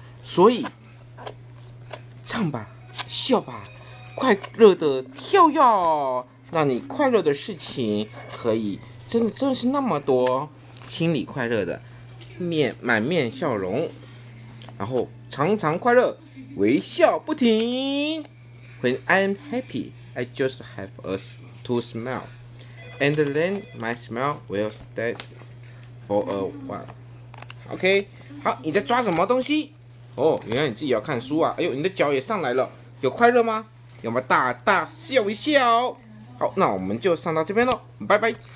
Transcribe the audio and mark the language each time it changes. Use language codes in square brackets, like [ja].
[zh] 所以，唱吧，笑吧，快乐的跳跃，让你快乐的事情可以真的是那么多，心里快乐的。满面笑容，然后常常快乐，微笑不停。 [en] When I'm happy, I just have to smile, and then my smile will stay for a while. [zh] OK， 好，你在抓什么东西？哦，原来你自己要看书啊！哎呦，你的脚也上来了，有快乐吗？有没有大大笑一笑？好，那我们就上到这边喽，拜拜。